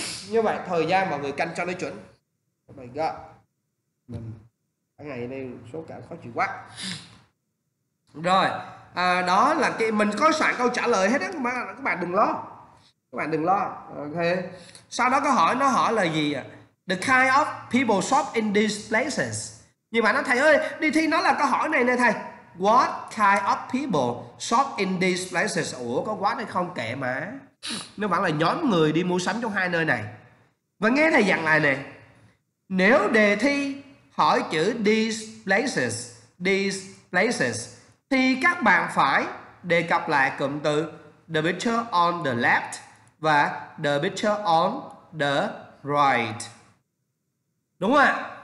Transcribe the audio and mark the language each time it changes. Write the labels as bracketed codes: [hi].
[vi] Như vậy thời gian mọi người canh cho nó chuẩn. [en] Oh my god. [vi] Ngày này số cả khó chịu quá. Rồi, đó là cái mình có soạn câu trả lời hết á, các bạn đừng lo. Các bạn đừng lo. Ok. Sau đó có hỏi, nó hỏi là gì ạ? À? [en] The kind of people shop in these places. [vi] Nhưng mà nó, thầy ơi, đi thi nó là câu hỏi này nè thầy. [en] What kind of people shop in these places? [vi] Ủa có what hay không, kệ mà. Nó vẫn là nhóm người đi mua sắm trong hai nơi này. Và nghe thầy dặn lại nè. Nếu đề thi hỏi chữ these places thì các bạn phải đề cập lại cụm từ [en] the picture on the left [vi] và [en] the picture on the right. [vi] Đúng không ạ?